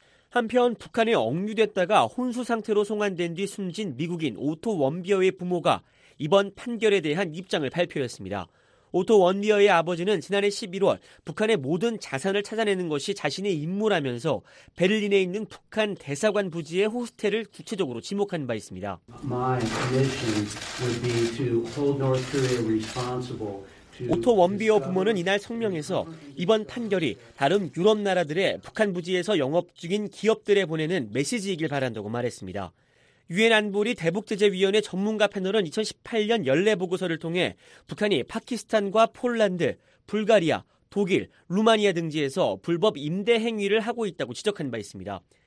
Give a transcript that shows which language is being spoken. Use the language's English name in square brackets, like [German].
[Korean] 한편 북한에 억류됐다가 혼수 상태로 송환된 뒤 숨진 미국인 오토 원비어의 부모가 이번 판결에 대한 입장을 발표했습니다. 오토 원비어의 아버지는 지난해 11월 북한의 모든 자산을 찾아내는 것이 자신의 임무라면서 베를린에 있는 북한 대사관 부지의 호스텔을 구체적으로 지목한 바 있습니다. [English] My mission would be to hold North Korea responsible. [Korean] 오토 원비어 부모는 이날 성명에서 이번 판결이 다른 유럽 나라들의 북한 부지에서 영업 중인 기업들에 보내는 메시지이길 바란다고 말했습니다. 유엔 안보리 대북제재위원회 전문가 패널은 2018년 연례보고서를 통해 북한이 파키스탄과 폴란드, 불가리아, 독일, 루마니아 등지에서 불법 임대 행위를 하고 있다고 지적한 바 있습니다.